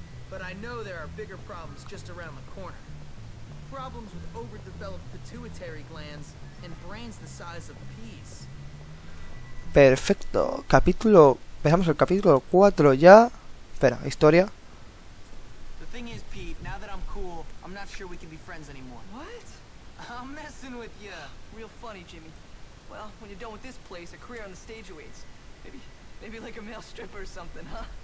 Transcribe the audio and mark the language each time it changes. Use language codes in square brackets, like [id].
[en] But I know there are bigger problems just around the corner. Problems with overdeveloped pituitary glands and brains the size of peas. [es] Perfecto. Capítulo. Empezamos el capítulo 4 ya. Espera, historia. [en] The thing is, Pete, now that I'm cool, I'm not sure we can be friends anymore. What? I'm messing with you. Real funny, Jimmy. Well, when you're done with this place, a career on the stage awaits. Maybe like a male stripper or something, huh?